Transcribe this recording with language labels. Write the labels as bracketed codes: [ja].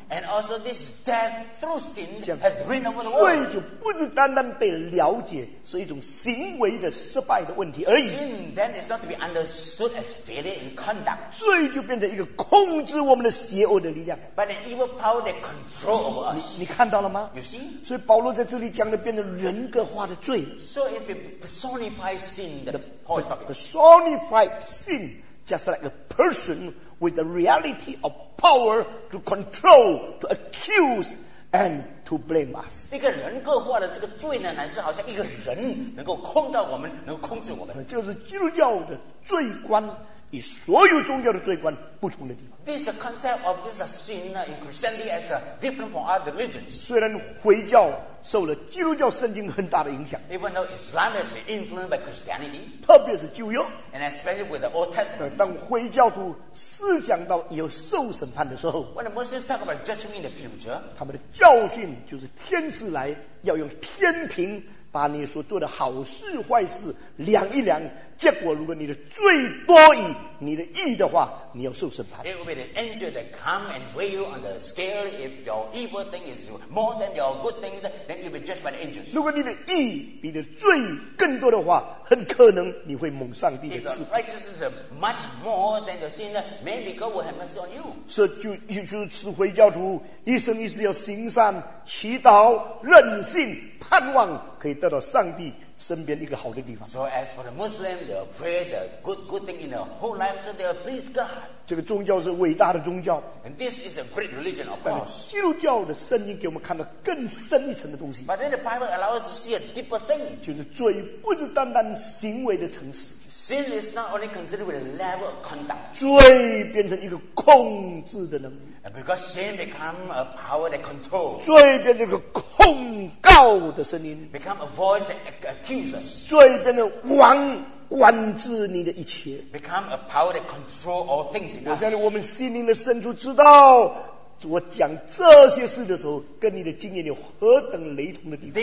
[en] ，And also this death through sin has reigned over the world。 [zh] 罪就不是单单被了解是一种行为的失败的问题而已。 [en] Sin then is not to be understood as failure in conduct。 [zh] 罪就变成一个控制我们的邪恶的力量 [en] ，But an evil power that controls over us。 [zh] 你看到了吗 [en] ？You see？ [zh] 所以保罗在这里讲的变成人格化的罪。 [en] So it personifies sin. The personified sin just like a person with the reality of power to control, to accuse, and to blame us. [zh] 一个人格化的这个罪呢，乃是好像一个人能够控到我们，能够控制我们。这是基督教的罪观与所有宗教的罪观不同的地方。 [en] This concept of this sin in Christianity is different from other religions. [zh] 虽然回教受了基督教圣经很大的影响 [en] ，Even though Islam is influenced by Christianity， [zh] 特别是旧约 [en] ，and especially with the Old Testament， [zh] 当回教徒思想到有受审判的时候 [en] ，When the Muslims talk about judgment in the future， [zh] 他们的教训就是天使来要用天平把你所做的好事坏事量一量，结果如果你的罪多于你的义的话，你要受审判。 [en] It will be the angel that come and weigh you on the scale. If your evil thing is more than your good things, then you'll be judged by the angels. [zh] 如果你的义比你的罪更多的话，很可能你会蒙上帝的赐福。 [en] If your righteousness is much more than your sin, maybe God will have mercy on you. [zh] 所以就是回教徒一生一世要行善、祈祷、任性、盼望，可以得到上帝身边一个好的地方。 [en] So as for the Muslim, they'll pray the good thing in their whole life, so they'll please God. [zh] 这个宗教是伟大的宗教。 [en] And this is a great religion, of course. [zh] 基督教的圣经给我们看到更深一层的东西。 [en] But then the Bible allows us to see a deeper thing. [zh] 就是罪不是单单行为的层次。 [en] Sin is not only considered with a level of conduct. [zh] 罪变成一个控制的能力。 [en] And because sin becomes a power that controls. [zh] 罪变成一个控告的声音。 [en] Become a voice that accuses. [zh] 罪变成王管制你的一切。 [en] Become a power that controls all things in us. [zh] 我相信我们心灵的深处知道我讲这些事的时候跟你的经验有何等雷同的地方。